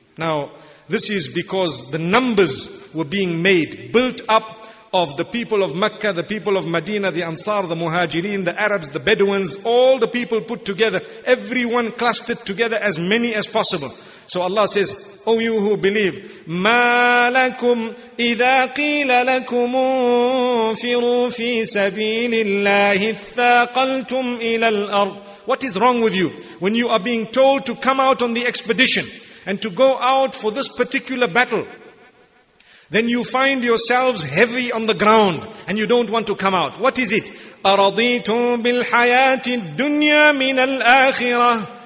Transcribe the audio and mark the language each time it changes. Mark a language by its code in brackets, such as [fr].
[en] Now, this is because the numbers were being made, built up of the people of Mecca, the people of Medina, the Ansar, the Muhajirin, the Arabs, the Bedouins, all the people put together, everyone clustered together, as many as possible. So Allah says, O you who believe, [ar] مَا لَكُمْ إِذَا قِيلَ لَكُمُ انْفِرُوا فِي سَبِيلِ اللَّهِ اثَّاقَلْتُمْ إِلَى الْأَرْضِ. [en] What is wrong with you when you are being told to come out on the expedition and to go out for this particular battle? Then you find yourselves heavy on the ground and you don't want to come out. What is it? [ar] أَرَضِيتُمْ بِالْحَيَاةِ الدُّنْيَا مِنَ الْآخِرَةِ.